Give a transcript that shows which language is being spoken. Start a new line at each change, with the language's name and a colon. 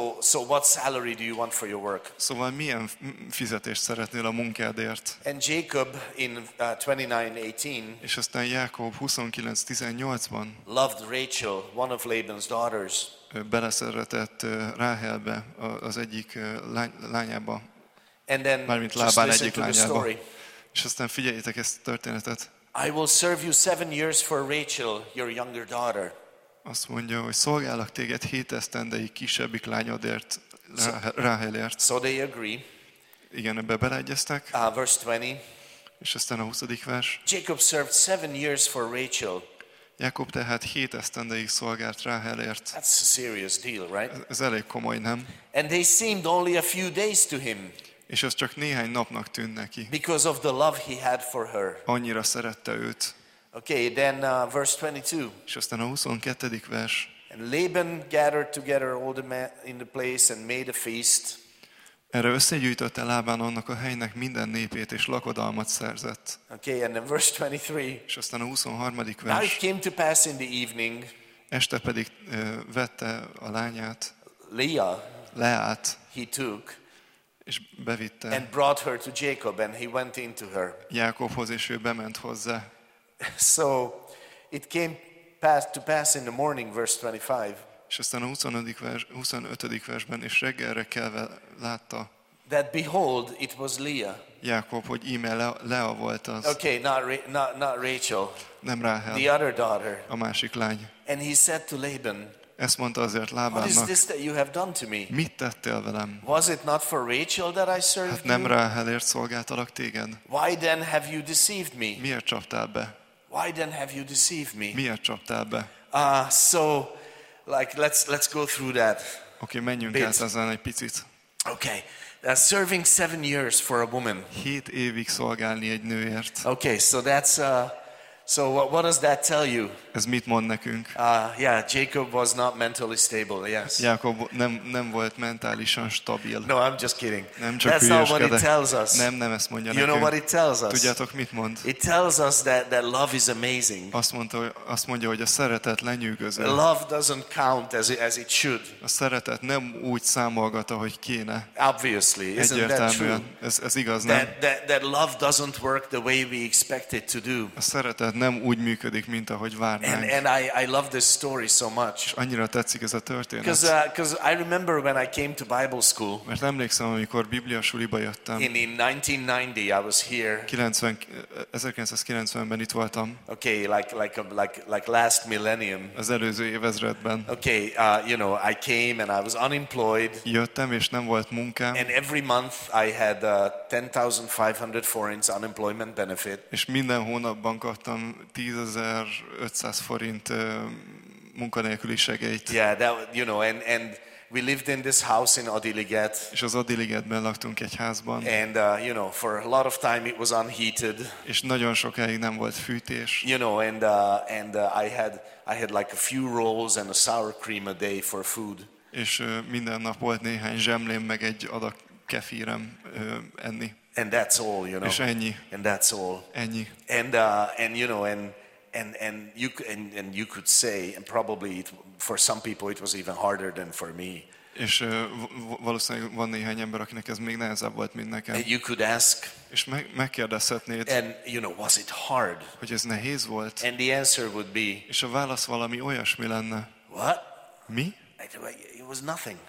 English: So what salary do you want for your work?
Hungarian: Szóval milyen fizetést szeretnél a munkádért?
English: And Jacob in 29:18.
Hungarian: És aztán Jákob 29:18-ban.
English: Loved Rachel, one of Laban's daughters.
Hungarian: Beleszeretett Ráhelbe, az egyik lányába.
English: And then
Hungarian: mármint Lábán egyik lányába. És aztán figyeljétek ezt a történetet.
English: I will serve you 7 years for Rachel, your younger daughter.
Hungarian: Azt mondja, hogy szolgálok téged 7 esztendeig kisebbik lányodért, Ráhelért.
English: So they agree.
Hungarian: Igen, ebbe beleegyeztek.
English: Verse 20.
Hungarian: És aztán a 20. vers.
English: Jacob served 7 years for Rachel.
Hungarian: Jákob tehát 7 esztendeig szolgált Ráhelért.
English: That's a serious deal, right?
Hungarian: Ez elég komoly, nem?
English: And they seemed only a few days to him.
Hungarian: És az csak néhány napnak tűn neki.
English: Because of the love he had for her.
Hungarian: Annyira szerette őt.
English: Okay, then verse 22.
Hungarian: És aztán a 22. vers.
English: And Laban gathered together all the men in the place and made a feast.
Hungarian: Erre összegyűjtötte Lábán annak a helynek minden népét és lakodalmat szerzett.
English: Okay, and then verse 23.
Hungarian: És aztán a 23. vers.
English: Now it came to pass in the evening.
Hungarian: Este pedig vette a lányát.
English: Leát. He took.
Hungarian: És bevitte.
English: And brought her to Jacob, and he went into her.
Hungarian: Jákobhoz, és ő bement hozzá.
English: So it came to pass in the morning, verse 25.
Hungarian: És aztán a 25. versben, és reggelre kelve látta.
English: That behold, it was Leah.
Hungarian: Jákob, hogy íme Lea volt az.
English: Okay, not Rachel.
Hungarian: Nem Ráhel.
English: The other daughter.
Hungarian: A másik lány.
English: And he said to Laban.
Hungarian: Ezt mondta azért Lábának.
English: What is this that you have done to me?
Hungarian: Mit tettél velem?
English: Was it not for Rachel that I served you?
Hungarian: Nem Ráhelért szolgáltalak téged?
English: Why then have you deceived me?
Hungarian: Miért csaptál be?
English: Why then have you deceived me?
Hungarian: Miért csaptál be?
English: So like let's go through that.
Hungarian: Okay, menjünk át ezen egy picit.
English: Okay. That's serving 7 years for a woman.
Hungarian: 7 évig szolgálni egy nőért.
English: Okay, so that's so what does that tell you?
Hungarian: Ez mit mond nekünk?
English: Yeah, Jacob was not mentally stable. Yes.
Hungarian: Jákob nem volt mentálisan stabil.
English: No, I'm just kidding.
Hungarian: Nem csak
English: that's not what it tells us.
Hungarian: Nem ezt mondja
English: you
Hungarian: nekünk.
English: Know what it tells us?
Hungarian: Tudjátok mit mond?
English: It tells us that love is amazing.
Hungarian: Azt mondja, hogy a szeretet lenyűgöző.
English: The love doesn't count as it should.
Hungarian: A szeretet nem úgy számolgat, ahogy kéne.
English: Obviously, isn't that true?
Hungarian: Ez igaz,
English: that love doesn't work the way we expect it to do.
Hungarian: A szeretet Isten nem úgy működik, mint ahogy várnánk.
English: And I love this story so much.
Hungarian: És annyira tetszik ez a történet.
English: Because I remember when I came to Bible school.
Hungarian: Mert emlékszem, amikor Biblia suliba jöttem.
English: In 1990 I was here.
Hungarian: 1990-ben itt voltam.
English: Okay, like last millennium.
Hungarian: Az előző évezredben.
English: Okay, you know, I came and I was unemployed.
Hungarian: Jöttem és nem volt munkám.
English: And every month I had 10,500 forints unemployment benefit.
Hungarian: És minden hónapban kaptam 10,500 forint munkanélküli segélyt.
English: Yeah, that, you know, and we lived in this house in Adiliget.
Hungarian: És az Adiligetben laktunk egy házban.
English: And you know, for a lot of time it was unheated.
Hungarian: És nagyon sokáig nem volt fűtés.
English: You know, and I had like a few rolls and a sour cream a day for food.
Hungarian: És minden nap volt néhány zsemlém meg egy adag kefírem enni.
English: And that's all, you know.
Hungarian: És ennyi.
English: And that's all.
Hungarian: Ennyi.
English: And you know, and you could say, and probably it, for some people it was even harder than for me.
Hungarian: És valószínűleg van néhány ember, akinek ez még nehezebb volt, mint nekem.
English: And you could ask.
Hungarian: És megkérdezhetnéd.
English: And you know, was it hard?
Hungarian: Hogy ez nehéz volt?
English: And the answer would be.
Hungarian: És a válasz valami olyasmi lenne.
English: What?
Hungarian: Mi?
English: It was nothing.